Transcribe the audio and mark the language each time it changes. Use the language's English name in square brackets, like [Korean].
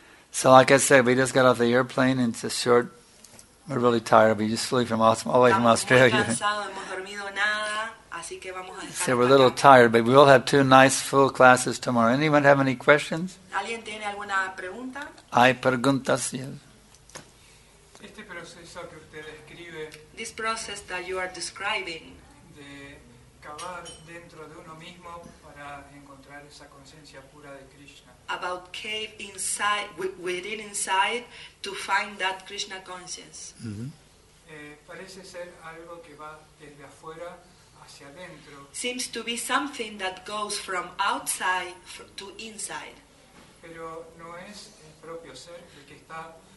[English] So like I said, we just got off the airplane and it's a short, we're really tired, we just flew from all the way from Australia. [Spanish] Estamos muy cansados, hemos dormido nada, así que vamos a dejar. [English] So we're a little tired, but we will have two nice full classes tomorrow. Anyone have any questions? [Spanish] ¿Alguien tiene alguna pregunta? Hay preguntas, yes. Este proceso que usted describe, [English] this process that you are describing, [Spanish] de cavar dentro de uno mismo para encontrar esa conciencia pura de Krishna. [English] About cave inside, within inside, to find that Krishna conscience. Mm-hmm. [Spanish] Parece ser algo que va desde afuera hacia adentro. [English] Seems to be something that goes from outside to inside. [Spanish] Pero no es el propio ser el que está.